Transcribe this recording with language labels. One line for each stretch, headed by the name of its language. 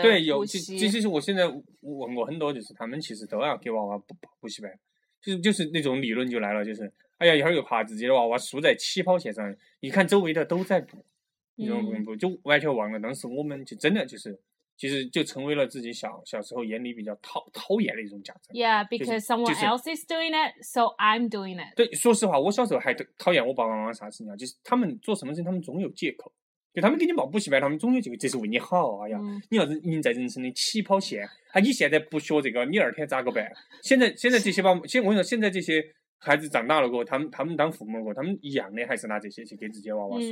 Chinese: 对，有其实我现在问过很多，就是他们其实都要给娃娃补习班，就是那种理论就来了，就是哎呀，一会儿又怕自己的娃娃输在起跑线上，你看周围的都在补，你怎么补？就完全忘了。当时我们就真的就是，其实就成为了自己小时候眼里比较讨厌的一种家长。
English: Yeah, because someone、
Chinese: 就是、
English: else is doing it, so I'm doing it.
Chinese: 对，说实话，我小时候还讨厌我爸爸妈妈啥事情啊？就是他们做什么事情，他们总有借口。就他们给你报补习班，他们总有借口，这是为你好。哎呀，嗯、你要是你在人生的起跑线，啊，你现在不学这个，你二天咋个办？现在这些爸，现我跟你说，现在这些孩子长大了过，他们当父母过，他们一样的还是拿这些去给自己娃娃说。